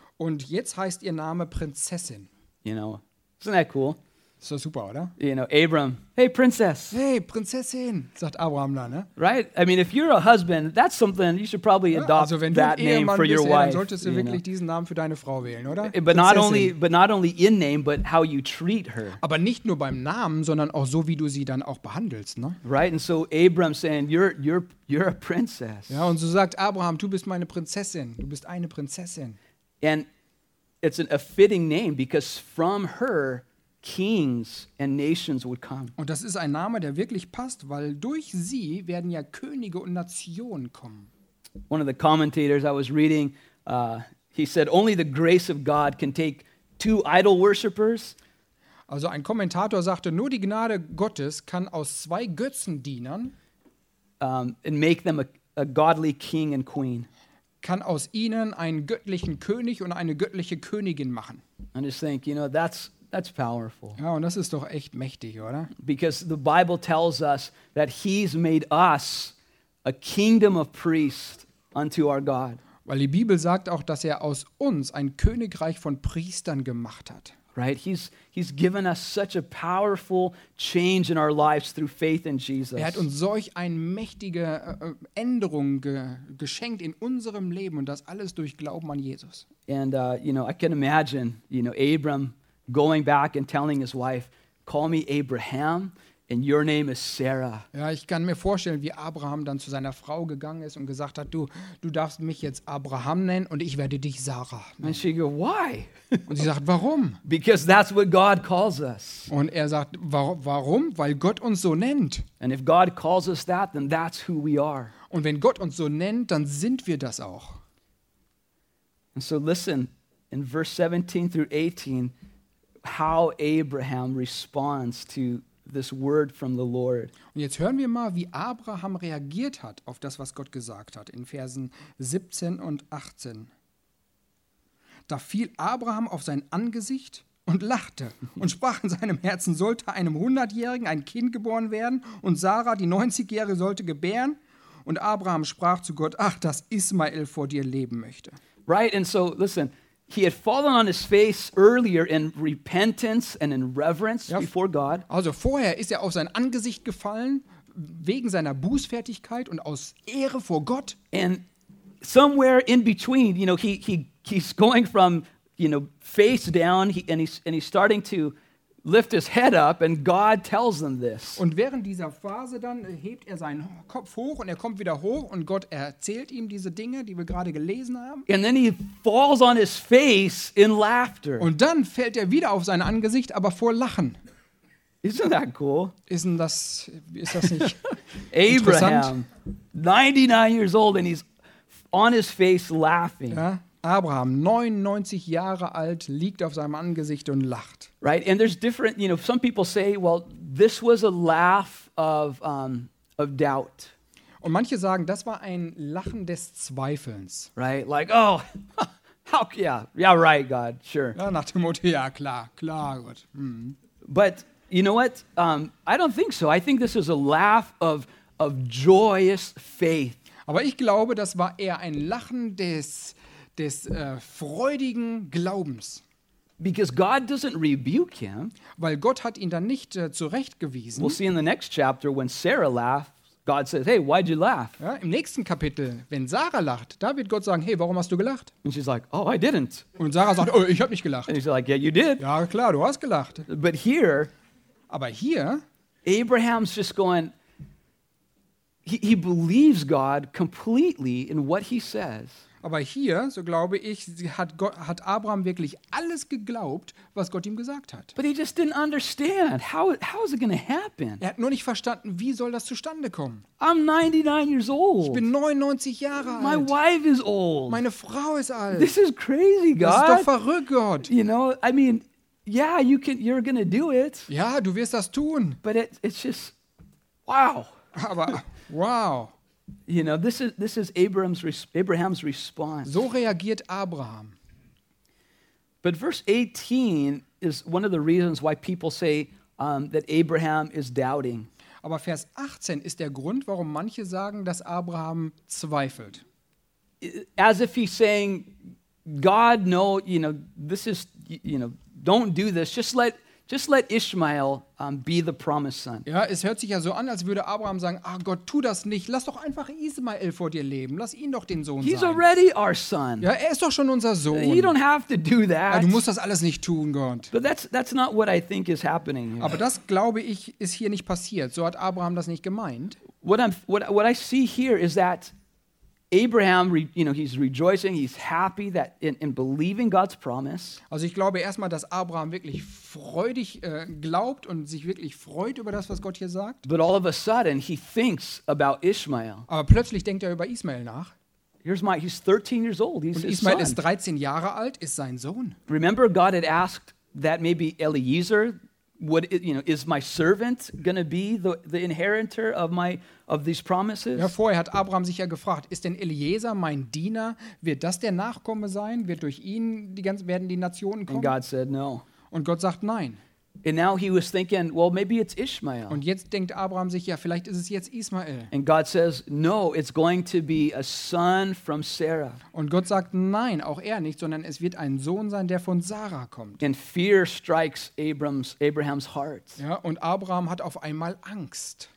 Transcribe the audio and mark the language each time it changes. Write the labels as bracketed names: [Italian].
[German] Und jetzt heißt ihr Name Prinzessin. [English] You know, isn't that cool? [German] So super, oder? [English] You know, Abram. Hey, princess. [German] Hey, Prinzessin, sagt Abraham dann, ne? [English] Right? I mean, if you're a husband, that's something you should probably adopt [German] also, wenn [English] that name for your wife. [German] Dann solltest du wirklich diesen Namen für deine Frau wählen, oder? [English] But not only in name, but how you treat her. [German] Aber nicht nur beim Namen, sondern auch so, wie du sie dann auch behandelst, ne? [English] Right? And so Abram saying, you're a princess. [German] Ja, und so sagt Abraham, du bist meine Prinzessin. Du bist eine Prinzessin. [English] And it's a fitting name, because from her kings and nations would come. [German] Und das ist ein Name, der wirklich passt, weil durch sie werden ja Könige und Nationen kommen. [English] One of the commentators I was reading, he said, only the grace of God can take two idol worshippers. [German] Also ein Kommentator sagte, nur die Gnade Gottes kann aus zwei Götzendienern [English] and make them a godly king and queen. [German] Kann aus ihnen einen göttlichen König und eine göttliche Königin machen. [English] And I just think, you know, that's powerful. [German] Ja, und das ist doch echt mächtig, oder? [English] Because the Bible tells us that he's made us a kingdom of priests unto our God. [German] Weil die Bibel sagt auch, dass er aus uns ein Königreich von Priestern gemacht hat. [English] Right? He's given us such a powerful change in our lives through faith in Jesus. [German] Er hat uns solch eine mächtige Änderung geschenkt in unserem Leben, und das alles durch Glauben an Jesus. [English] And you know, I can imagine, you know, Abram going back and telling his wife, call me Abraham and your name is Sarah. [German] Ja, ich kann mir vorstellen, wie Abraham dann zu seiner Frau gegangen ist und gesagt hat, du darfst mich jetzt Abraham nennen und ich werde dich Sarah nennen. [English] And she goes, why? [German] Und sie sagt, warum? [English] Because that's what God calls us. [German] Und er sagt, warum? Weil Gott uns so nennt. [English] And if God calls us that, then that's who we are. [German] Und wenn Gott uns so nennt, dann sind wir das auch. [English] And so listen, in verse 17 through 18, how Abraham responds to this word from the Lord. [German] Und jetzt hören wir mal, wie Abraham reagiert hat auf das, was Gott gesagt hat, in Versen 17 und 18. Da fiel Abraham auf sein Angesicht und lachte und sprach in seinem Herzen, sollte einem 100-Jährigen ein Kind geboren werden und Sarah, die 90-Jährige, sollte gebären? Und Abraham sprach zu Gott, ach, dass Ismael vor dir leben möchte. [English] Right, and so, listen, he had fallen on his face earlier in repentance and in reverence before God. [German] Also vorher ist er auf sein Angesicht gefallen wegen seiner Bußfertigkeit und aus Ehre vor Gott. [English] And somewhere in between, you know, he's going from, you know, face down, and he's starting to lift his head up, and God tells them this. [German] Und während dieser Phase dann hebt er seinen Kopf hoch und er kommt wieder hoch und Gott erzählt ihm diese Dinge, die wir gerade gelesen haben. [English] And then he falls on his face in laughter. [German] Und dann fällt er wieder auf sein Angesicht, aber vor Lachen. [English] Isn't that cool? [German] Ist das nicht [English] Abraham, 99 years old, and he's on his face laughing. [German] Ja? Abraham, 99 Jahre alt, liegt auf seinem Angesicht und lacht. [English] Right, and there's different, you know, some people say, well, this was a laugh of doubt. [German] Und manche sagen, das war ein Lachen des Zweifelns. [English] Right, like, oh, How? Yeah, yeah, right, God, sure. [German] Ja, nach dem Motto, ja, klar, klar, Gott. Hm. [English] But you know what? I don't think so. I think this is a laugh of joyous faith. [German] Aber ich glaube, das war eher ein Lachen des freudigen Glaubens. [English] Because God doesn't rebuke him. [German] Weil Gott hat ihn dann nicht zurechtgewiesen. [English] We'll see in the next chapter when Sarah laughs, God says, "Hey, why'd you laugh?" [German] Ja, im nächsten Kapitel, wenn Sarah lacht, da wird Gott sagen, "Hey, warum hast du gelacht?" [English] And she's like, "Oh, I didn't." [German] Und Sarah sagt, "Oh, ich habe nicht gelacht." [English] And he's like, "Yeah, you did." [German] Ja, klar, du hast gelacht. [English] But here, [German] aber hier, [English] Abraham's just going, he believes God completely in what he says. [German] Aber hier, so glaube ich, hat Abraham wirklich alles geglaubt, was Gott ihm gesagt hat. [English] But he just didn't understand. How is it gonna happen? [German] Er hat nur nicht verstanden, wie soll das zustande kommen. [English] I'm 99 years old. [German] Ich bin 99 Jahre alt. [English] My wife is old. [German] Meine Frau ist alt. [English] This is crazy, God. [German] Das ist doch verrückt, Gott. [English] You know, I mean, yeah, you're gonna do it. [German] Ja, du wirst das tun. [English] But it's just, wow. [German] Aber, wow. [English] You know, this is Abraham's response. [German] So reagiert Abraham. [English] But verse 18 is one of the reasons why people say that Abraham is doubting. [German] Aber Vers 18 ist der Grund, warum manche sagen, dass Abraham zweifelt. [English] As if he's saying, God, no, you know, this is, you know, don't do this. Just let Ishmael be the promised son. [German] Ja, es hört sich ja so an, als würde Abraham sagen, ach Gott, tu das nicht. Lass doch einfach Ishmael vor dir leben. Lass ihn doch den Sohn [English] He's [German] sein. [English] He's already our son. [German] Ja, er ist doch schon unser Sohn. [English] You don't have to do that. [German] Ja, du musst das alles nicht tun, Gott. [English] But that's not what I think is happening here. [German] Aber das, glaube ich, ist hier nicht passiert. So hat Abraham das nicht gemeint. [English] What I see here is that Abraham, you know, he's rejoicing, he's happy that in believing God's promise. [German] Also ich glaube erstmal, dass Abraham wirklich freudig glaubt und sich wirklich freut über das, was Gott hier sagt. [English] But all of a sudden he thinks about Ishmael. [German] Aber plötzlich denkt er über Ishmael nach. [English] He's 13 years old. [German] Und Ishmael ist 13 Jahre alt, ist sein Sohn. [English] Remember, God had asked that maybe Eliezer. What you know is my servant going to be the inheritor of these promises? [German] Ja, vorher hat Abraham sich ja gefragt, ist denn Eliezer mein Diener, wird das der Nachkomme sein, wird durch ihn werden die Nationen kommen? [English] And God said no. [German] Und Gott sagt nein. [English] And now he was thinking, well, maybe it's Ishmael. [German] Und jetzt denkt Abraham sich, ja, vielleicht ist es jetzt Ismael. [English] And God says, no, it's going to be a son from Sarah. [German] Und Gott sagt, nein, auch er nicht, sondern es wird ein Sohn sein, der von Sarah kommt. [English] And fear strikes Abraham's heart. [German] Ja, und Abraham hat auf einmal Angst.